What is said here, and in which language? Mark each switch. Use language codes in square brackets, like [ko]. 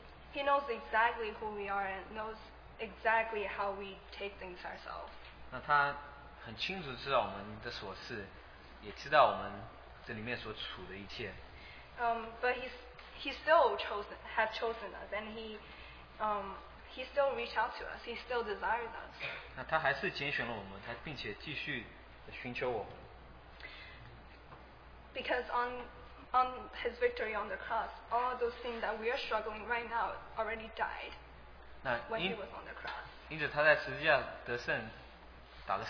[en] He knows exactly who we are and knows exactly how we take things ourselves. [zh] 那他很清楚知道我们的所事, 也知道我们这里面所处的一切。 [en] But he still has chosen us and he still reached out to us. He still desires us. [zh] 那他还是拣选了我们, 他并且继续寻求我们。 [en] Because on his victory on the cross, all those things that we are struggling right now already died when he was on the cross.